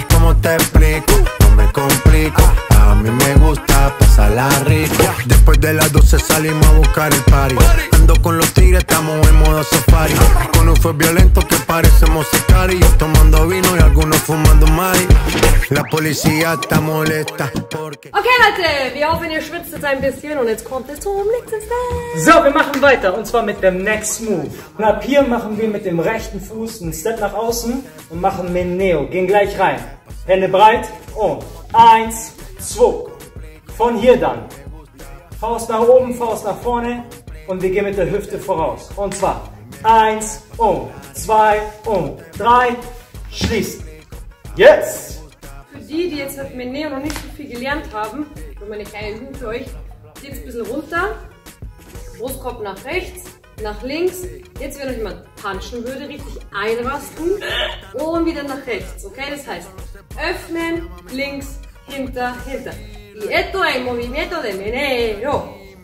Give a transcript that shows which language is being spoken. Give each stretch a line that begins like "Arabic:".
Spanish: ¿Cómo te explico? No me complico. A mí me gusta pasarla rica. Después de las 12 salimos a buscar el party. Ando con los tigres, estamos en modo safari. Con un fue violento que parecemos sicarios. Yo tomando vino y algunos fumando mari. La policía está molesta porque...
German: Okay, Leute, wir hoffen, ihr schwitzt jetzt ein bisschen und jetzt kommt es zum nächsten Step. So, wir machen weiter und zwar mit dem Next Move. Und ab hier machen wir mit dem rechten Fuß einen Step nach außen und machen Meneo. Gehen gleich rein. Hände breit und 1, 2. Von hier dann. Faust nach oben, Faust nach vorne. Und wir gehen mit der Hüfte voraus. Und zwar 1 und 2 und 3. Schließen. Jetzt! Für die, die jetzt mit Meneo noch nicht so viel gelernt haben, für meine kleinen Hüte für euch, geht es ein bisschen runter. Brustkorb nach rechts, nach links. Jetzt, wenn euch jemand punchen würde, richtig einrasten. Und wieder nach rechts. Okay? Das heißt, öffnen, links, hinter, hinter.
Spanish: Y esto es el movimiento de Meneo.